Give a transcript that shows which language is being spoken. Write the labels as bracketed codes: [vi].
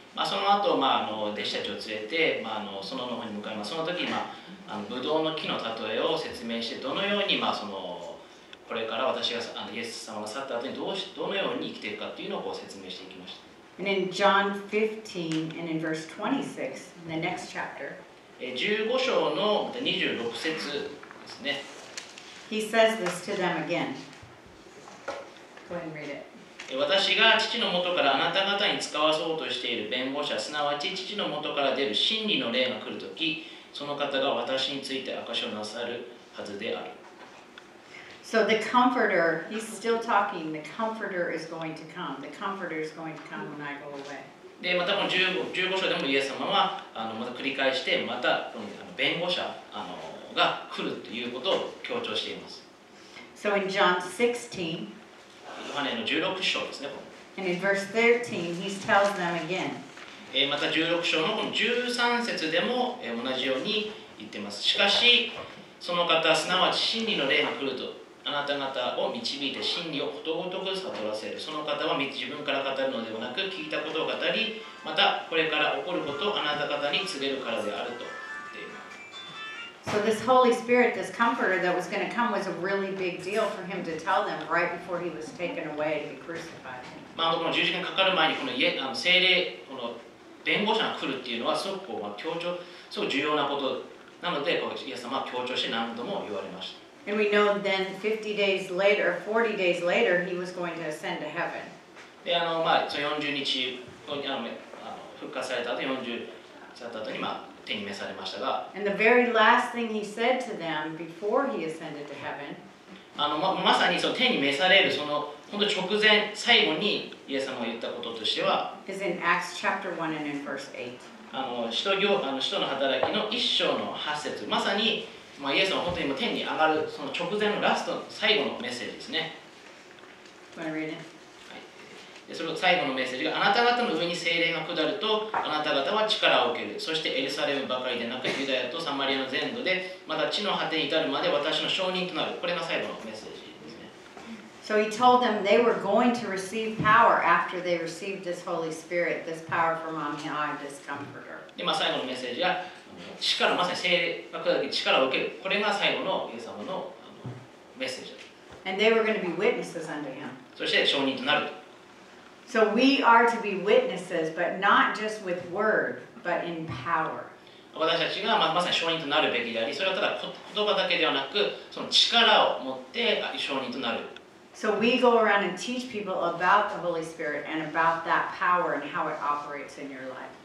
[ja] まあ、その後、まあ、あの弟子たちを連れて、まあ、あのその方に向かいます。その時、まあ、あのブドウの木の例えを説明して、どのように、まあ、そのこれから私がイエス様が去った後にどのように生きていくかっていうのをこう説明していきました。 [en] And in John 15 and in verse 26, in the next chapter, [ja] 15章の26節ですね。 [en] He says this to them again. Go ahead and read it. [ja] 私が父のもとからあなた方に使わそうとしている弁護士は、すなわち父のもとから出る真理の霊が来るとき、その方が私について証しをなさるはずである。 [en] So the comforter, he's still talking, the comforter is going to come. The comforter is going to come when I go away. [ja] で、またこの 15章でもイエス様は、あのまた繰り返して、またこの弁護者あのが来るということを強調しています。 [en] So in John 16, [ja] ヨハネの16章ですね。 [en] And in verse 13, he tells them again. [ja] また16章のこの13節でも同じように言ってます。しかし、その方、すなわち真理の霊が来ると、あなた方を導いて真理をことごとく悟らせる。その方は自分から語るのではなく、聞いたことを語り、またこれから起こることをあなた方に告げるからであると言っています [en] So this Holy Spirit, this Comforter that was going to come was a really big deal for him to tell them right before he was taken away to be crucified. [ja] まあ、この十字架にかかる前にこの聖霊、この弁護者が来るっていうのはすごくこう、まあ、強調、すごく重要なことなので、こうイエス様は強調して何度も言われました。 [en] And we know then 50 days later, 40 days later, he was going to ascend to heaven. [ja] で、あの、まあ、その40日、あの復活された後、40日された後に、まあ、手に召されましたが、 [en] And the very last thing he said to them before he ascended to heaven, [ja] あの まさにその手に召されるその本当直前最後にイエス様が言ったこととしては、 [en] is in Acts chapter 1 and in verse 8. [ja] あの使徒行あの使徒の働きの1章の8節、まさに、まあ、イエス様本当に天に上がるその直前のラスト最後のメッセージですね。 [en] Want to read it? [ja] その最後のメッセージが、あなた方の上に聖霊が下るとあなた方は力を受ける、そしてエルサレムばかりでなくユダヤとサマリアの全土でまた地の果てに至るまで私の証人となる。これが最後のメッセージですね。 [en] So he told them they were going to receive power after they received this Holy Spirit, this power from on high, this comforter. [ja] で、まあ、最後のメッセージが力、まさに聖霊が下るとき力を受ける、これが最後のイエス様のメッセージ。 [en] And they were going to be witnesses unto him. [ja] そして証人となると。 [en] So we are to be witnesses, but not just with word, but in power. [ja] 私たちが まさに証人となるべきであり、それはただ言葉だけではなく、その力を持って証人となる。 [en] So we go around and teach people about the Holy Spirit and about that power and how it operates in your life.